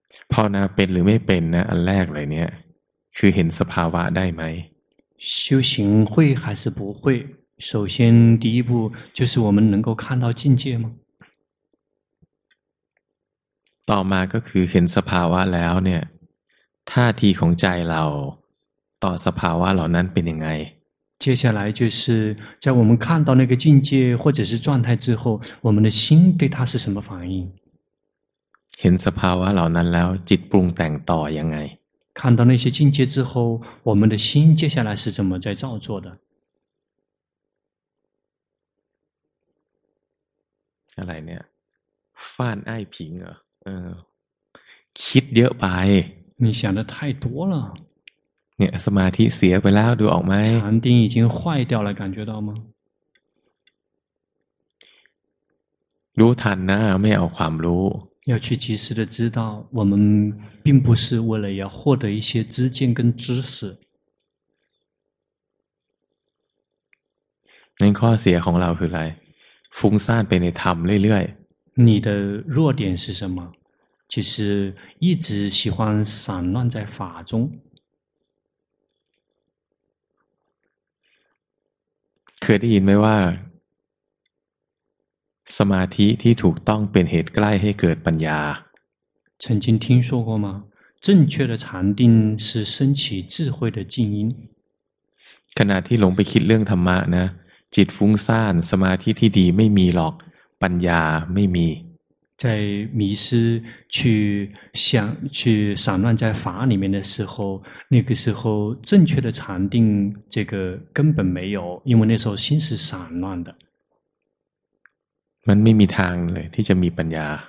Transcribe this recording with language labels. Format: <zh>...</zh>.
<th>พ่อนะเป็นหรือไม่เป็นนะอันแรกเลยเนี่ยคือเห็นสภาวะได้ไหม</th> <zh>修行会还是不会首先第一步就是我们能够看到境界吗</zh> <th>ต่อมาก็คือเห็นสภาวะแล้วเนี่ยท่าทีของใจเราต่อสภาวะเหล่านั้นเป็นยังไง</th> <zh>接下来就是在我们看到那个境界或者是状态之后我们的心对它是什么反应</zh> <th>เห็นสภาวะเหล่านั้นแล้วจิตปรุงแต่งต่อยังไง</th> <zh>看到那些境界之后我们的心接下来是怎么在造作的</zh> <th>อะไรเนี่ยฟ้านไอ้ผิงเหรอคิดเยอะไป</th> <zh>你想的太多了</zh> <th>เนี่ยสมาธิเสียไปแล้วดูออกไหม</th> <zh>禅定已经坏掉了感觉到吗</zh> <th>รู้ทันนะไม่เอาความรู้</th> <zh>要去及时的知道我们并不是为了要获得一些知见跟知识</zh> <th>那ข้อเสียของเราคืออะไรฟุ้งซ่านไปในธรรมเรื่อย</th> <zh>ๆ你的弱点是什么就是一直喜欢散乱在法中</zh> <th>เคยได้ยินไหมว่าสมาธิที่ถูกต้องเป็นเหตุใกล้ให้เกิดปัญญา</th> <zh>曾经听说过吗正确的禅定是升起智慧的静音</zh> <th>ขณะที่หลงไปคิดเรื่องธรรมะนะจิตฟุ้งซ่านสมาธิที่ดีไม่มีหรอกปัญญาไม่มี</th> <zh>在迷失去想去散乱在法里面的时候那个时候正确的禅定这个根本没有因为那时候心是散乱的</zh> <th>มันไม่มีทางเลยที่จะมีปัญญา</th>